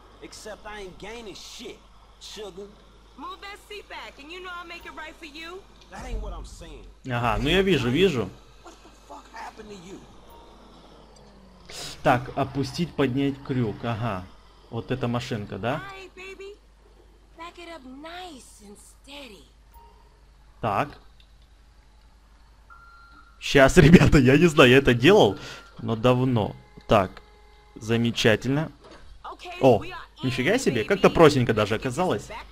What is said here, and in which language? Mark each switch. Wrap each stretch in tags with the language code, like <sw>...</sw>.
<en>Except I ain't gaining shit, sugar. Move that seat back, and you know I'll make it right for you. That ain't what I'm saying.</en> <ru>Ага, ну я вижу, вижу.</ru> <en>What the fuck happened to you?</en> <ru>Так, опустить, поднять крюк. Ага. Вот эта машинка, да?</ru> <en>All right, baby. Back it up nice and steady.</en> <ru>Так. Сейчас, ребята, я не знаю, я это делал, но давно. Так. Замечательно. О, нифига себе, как-то простенько даже оказалось.</ru>